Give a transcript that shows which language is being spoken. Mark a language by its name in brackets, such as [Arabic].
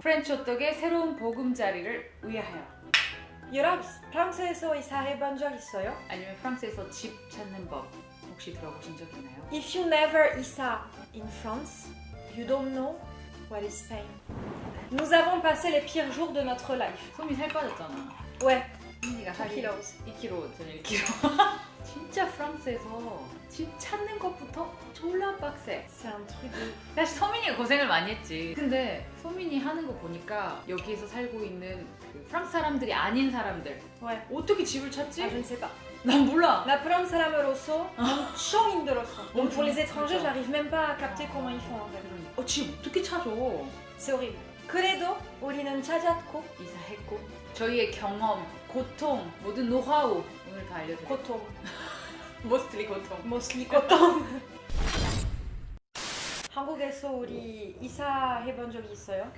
[Korean] French hotdog의 새로운 보금자리를 위하여. 여러분, 프랑스에서 이사해 본 적 있어요? 아니면 프랑스에서 집 찾는 법 혹시 들어보신 적 있나요? [English] If you never 이사 in France, you don't know what is Spain. [French] Nous avons passé les pires jours de notre life. [Korean] 소미 살 빠졌잖아. 왜? 언니가 살이 2kg 전 1kg. 진짜 프랑스에서 집 찾는 것부터 졸라 빡세. 사실 소민이가 고생을 많이 했지. 근데 소민이 하는 거 보니까 여기에서 살고 있는 그 프랑스 사람들이 아닌 사람들. 왜? 어떻게 집을 찾지? 아, 제가. 난 몰라. 나 프랑스 사람으로서 엄청 힘들었어. [French] Donc pour les étrangers, j'arrive même pas à capter comment ils font en fait. [Korean] 어, 집 어떻게 찾아? [French] C'est horrible. [Korean] 그래도 우리는 찾았고 이사했고 저희의 경험, 고통, 모든 노하우 오늘 다 알려드릴 고통 mostly 고통 mostly 고통 한국에서 우리 이사해본 적이 있어요?